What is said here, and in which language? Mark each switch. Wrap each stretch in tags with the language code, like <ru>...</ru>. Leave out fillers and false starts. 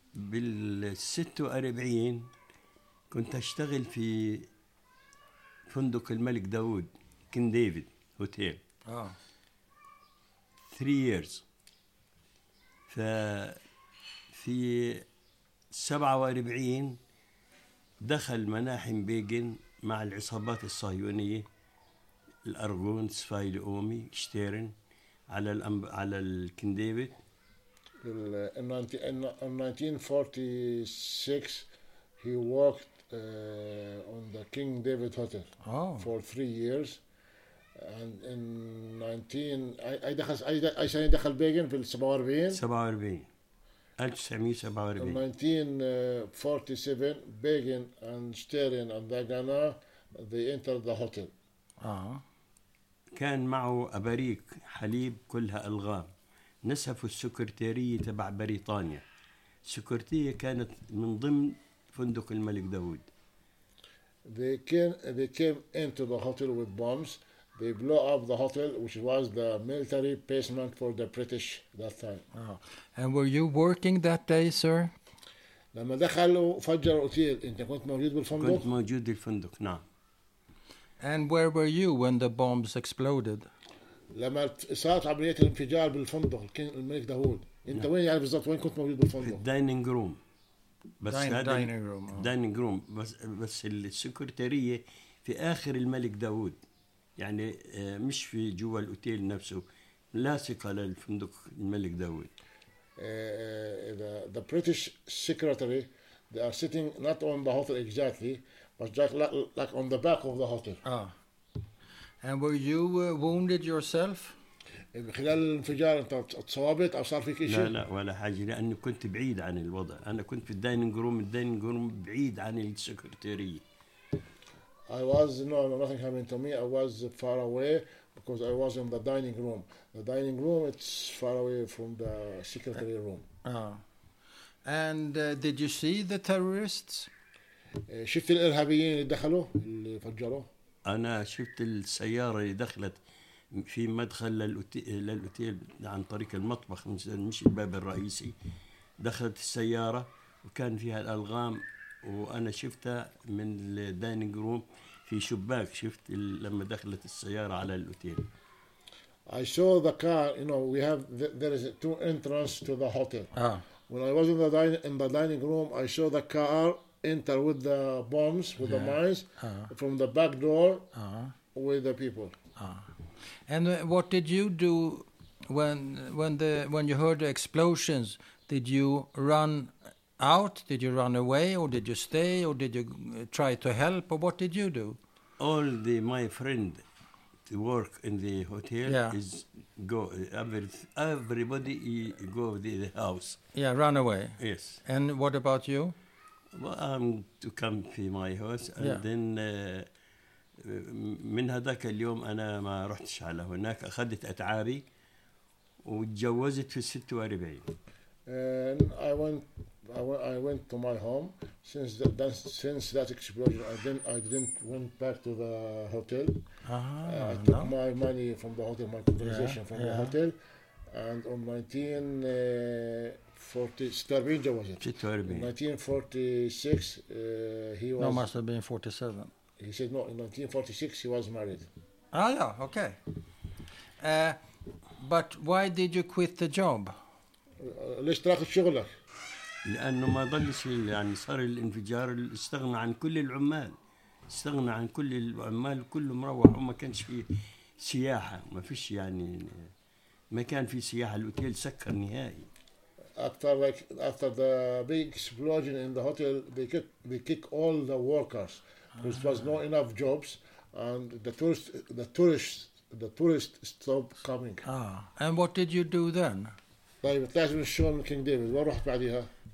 <ar>بال46 كنت اشتغل في فندق الملك داود كين ديفيد هوتيل</ar> <en>3 years</en> <ar>ففي 47 دخل مناحم بيجن مع العصابات الصهيونية الأرغون سفاي لأومي شتيرن على على الكين ديفيد</ar> <en>in 1946 he worked on the King David Hotel for 3 years, and in 1947, Begin and Sterin and Dagana, they entered the hotel.</en> <ar>كان معه أبريق حليب كلها ألغام نسف السكرتيرية تبع بريطانيا. السكرتيرية كانت من ضمن فندق الملك داود.</ar> <en>They came into the hotel with bombs. They blow up the hotel, which was the military basement for the British that time. And were you working that day, sir?</en> <ar>لما دخلوا فجر الأوتيل أنت كنت موجود بالفندق؟ كنت موجود بالفندق نعم.</ar> <en>And where were you when the bombs exploded?</en> <ar>لما صارت عملية الانفجار بالفندق الملك داود أنت وين يعني بالضبط وين كنت موجود بالفندق؟</ar> <en>في الدايننج روم.</en> <ar>بس دايننج روم بس السكرتيرية في آخر الملك داود يعني مش في جوا الأوتيل نفسه لاصقة للفندق الملك داود</ar> <en>the British secretary they are sitting not on the hotel exactly but just like on the back of the hotel and were you wounded yourself</en> <ar>خلال الانفجار انت اتصابت او صار فيك شيء لا ولا حاجه لاني كنت بعيد عن الوضع انا كنت في الدايننج روم بعيد عن السكرتيريه</ar> <en>I was no nothing happened to me I was far away because I was in the dining room it's far away from the secretary room and did you see the terrorists</en> <ar>شفت الارهابيين اللي دخلوا اللي فجروا انا شفت السياره اللي دخلت في مدخل للأوتيل عن طريق المطبخ مش الباب الرئيسي دخلت السيارة وكان فيها الألغام وأنا شفتها من الدايننج روم في شباك شفت لما دخلت السيارة على الأوتيل</ar> <en>I saw the car you know we have there is two entrances to the hotel When I was in the dining room, I saw the car enter with the bombs, with the mines, from the back door with the people. And what did you do when you heard the explosions? Did you run out? Did you run away? Or did you stay? Or did you try to help? Or what did you do? All the my friend to work in the hotel is go. Everybody go to the house. Yeah, run away. Yes. And what about you? Well, I'm to come to my house. And then</en> <ar>من هذاك اليوم أنا ما رحتش على هناك أخذت أتعاري وتجوزت في 46.</ar> <en>And I went to my home since that explosion. I didn't went back to the hotel. I took my money from the hotel, my compensation from the hotel, and on 1946 must have been 47. He said no, in 1946 he was married. Ah, yeah, okay. But why did you quit the job?</en> <ar>ليش تراخي شغلك؟ لأنه ما ضلش يعني صار الانفجار استغنى عن كل العمال استغنى عن كل العمال كله مروح وما كانش في سياحة ما فيش يعني ما كان في سياحة الأوتيل سكر نهائي.</ar> <en>After the big explosion in the hotel, they kick all the workers because there was not enough jobs and the tourists stopped coming. And what did you do then?</en> <ar>طيب لازم نشوف من كينج ديفيد وين رحت بعديها؟</ar>